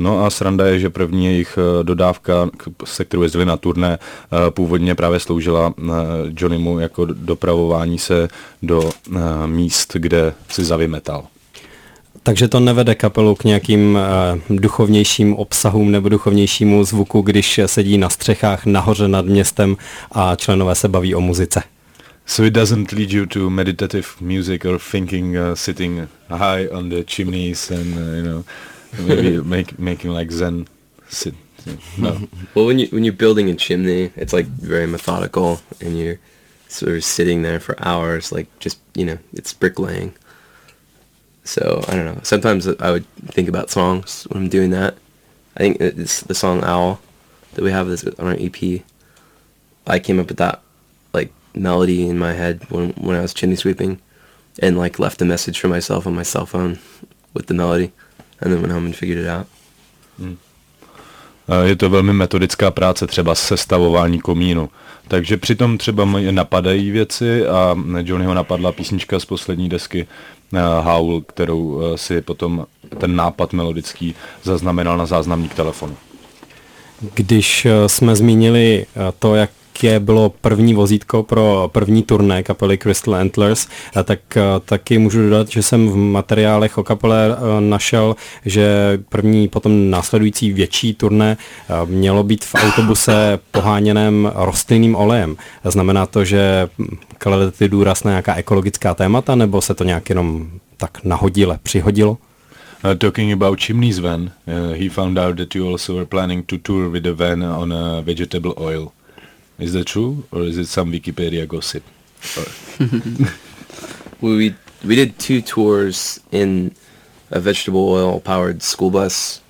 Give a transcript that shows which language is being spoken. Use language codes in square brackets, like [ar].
[cs] No a sranda je, že první jejich dodávka, se kterou jezdili na turné, původně právě sloužila Johnnymu jako dopravování se do míst, kde si zavymetal. Takže to nevede kapelu k nějakým duchovnějším obsahům nebo duchovnějšímu zvuku, když sedí na střechách nahoře nad městem a členové se baví o muzice. [en] So it doesn't lead you to meditative music or thinking, sitting high on the chimneys and, you know, maybe making like zen sit. No. Well, when you're building a chimney, it's like very methodical and you're sort of sitting there for hours, like just, you know, it's bricklaying. So, I don't know, sometimes I would think about songs when I'm doing that. I think it's the song Owl that we have this on our EP. I came up with that, like, melody in my head when I was chimney sweeping and, like, left a message for myself on my cell phone with the melody and then went home and figured it out. [cs] Je to velmi metodická práce, třeba sestavování komínu. Takže přitom třeba napadají věci a Johnnyho napadla písnička z poslední desky Howl, kterou si potom ten nápad melodický zaznamenal na záznamník telefonu. Když jsme zmínili to, jaké bylo první vozítko pro první turné kapely Crystal Antlers, tak taky můžu dodat, že jsem v materiálech o kapele našel, že první potom následující větší turné mělo být v autobuse poháněném rostlinným olejem. Znamená to, že kladete důraz na nějaká ekologická témata, nebo se to nějak jenom tak nahodile přihodilo? [en] Talking about chimneys van, he found out that you also were planning to tour with the van on a vegetable oil. Is that true, or is it some Wikipedia gossip? we did two tours in a vegetable oil powered school bus.